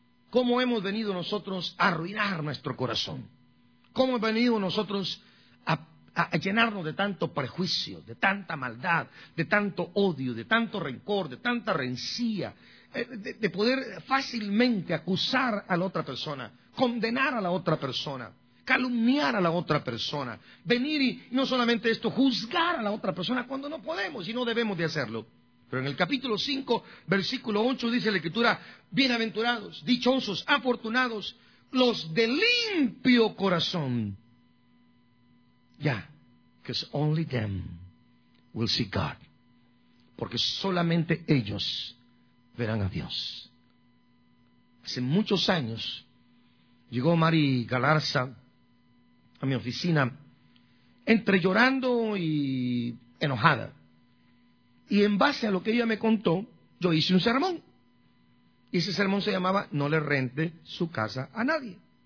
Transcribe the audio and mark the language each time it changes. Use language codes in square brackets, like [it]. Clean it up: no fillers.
[es] Cómo hemos venido nosotros a arruinar nuestro corazón. Cómo hemos venido nosotros a llenarnos de tanto prejuicio, de tanta maldad, de tanto odio, de tanto rencor, de tanta rencía, de poder fácilmente acusar a la otra persona, condenar a la otra persona, calumniar a la otra persona, venir y no solamente esto, juzgar a la otra persona cuando no podemos y no debemos de hacerlo. Pero en el capítulo 5, versículo 8, dice la Escritura, bienaventurados, dichosos, afortunados, los de limpio corazón. [en] Yeah, because only them will see God. [es] Porque solamente ellos verán a Dios. Hace muchos años llegó Mari Galarza a mi oficina entre llorando y enojada. Y en base a lo que ella me contó, yo hice un sermón. Y ese sermón se llamaba No le rente su casa a nadie.